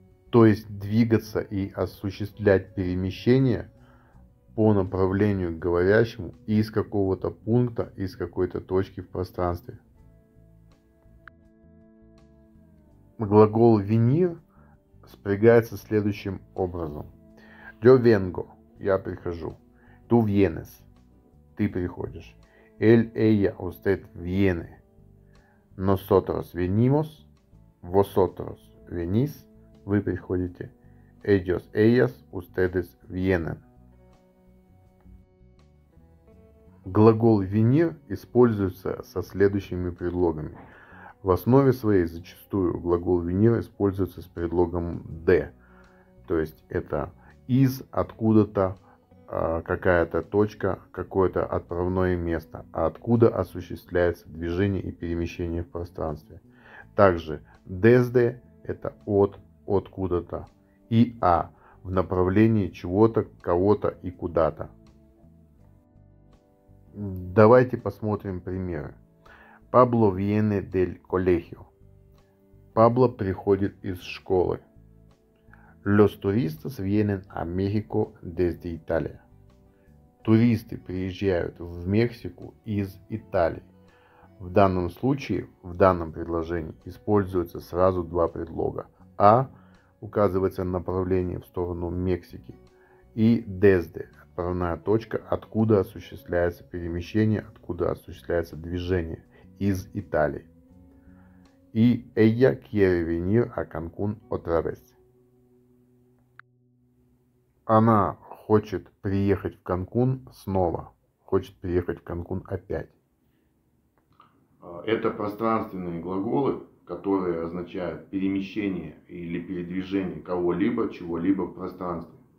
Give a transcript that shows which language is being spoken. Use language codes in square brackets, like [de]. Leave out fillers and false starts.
[ru] То есть двигаться и осуществлять перемещение по направлению к говорящему из какого-то пункта, из какой-то точки в пространстве. Глагол venir спрягается следующим образом. [es] Yo vengo, [ru] я прихожу. [es] Tú vienes, [ru] ты приходишь. [es] Él, ella, usted viene. Nosotros venimos, vosotros venís, [ru] вы приходите. [es] Ellos, ellas, ustedes vienen. [ru] Глагол venir используется со следующими предлогами. В основе своей зачастую глагол venir используется с предлогом de. То есть это из, откуда-то, какая-то точка, какое-то отправное место. А откуда осуществляется движение и перемещение в пространстве. Также desde – это от, откуда-то. И a – в направлении чего-то, кого-то и куда-то. Давайте посмотрим примеры. [es] Pablo viene del colegio. Pablo [ru] приходит из школы. [es] Los turistas vienen a México desde Italia. [ru] Туристы приезжают в Мексику из Италии. В данном случае, в данном предложении используются сразу два предлога. А указывается направление в сторону Мексики. И desde, отправная точка, откуда осуществляется перемещение, откуда осуществляется движение из Италии. [es] И ella quiere venir a Cancún otra vez. [ru] Она хочет приехать в Канкун снова. Хочет приехать в Канкун опять. Это пространственные глаголы, которые означают перемещение или передвижение кого-либо, чего-либо в пространстве.